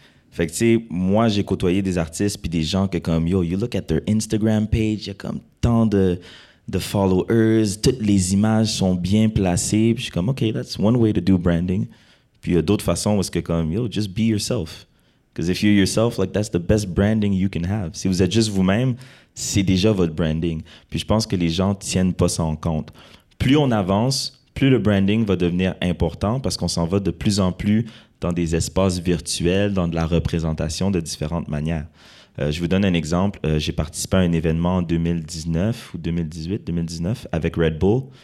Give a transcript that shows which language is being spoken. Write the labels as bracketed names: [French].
[French] Fait que tu sais, moi, j'ai côtoyé des artistes puis des gens qui comme, yo, [English] you look at their Instagram page, [French] il y a comme tant de... [English] the followers, [French] toutes les images sont bien placées. Puis je suis comme, [English] OK, that's one way to do branding. [French] Puis il y a d'autres façons où est-ce que comme, [English] yo, just be yourself. Because if you're yourself, like, that's the best branding you can have. [French] Si vous êtes juste vous-même, c'est déjà votre branding. Puis je pense que les gens ne tiennent pas ça en compte. Plus on avance, plus le branding va devenir important parce qu'on s'en va de plus en plus dans des espaces virtuels, dans de la représentation de différentes manières. Je vous donne un exemple. J'ai participé à un événement en 2019 avec Red Bull.